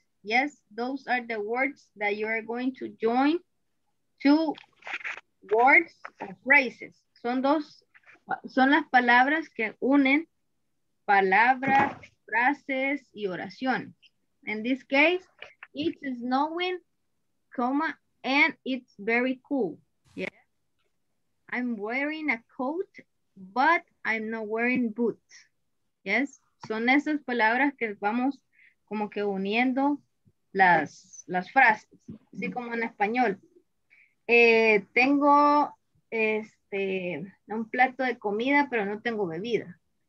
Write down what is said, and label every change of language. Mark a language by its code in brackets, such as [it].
[en] Yes, those are the words that you are going to join two words or phrases. [es] Son dos, son las palabras que unen palabras, frases y oraciones. [en] In this case, it's snowing, comma, and it's very cool. Yeah. I'm wearing a coat, but I'm not wearing boots. Yes. [es] Son esas palabras que vamos como que uniendo las frases, así como en español. Tengo un plato de comida, pero no tengo bebida.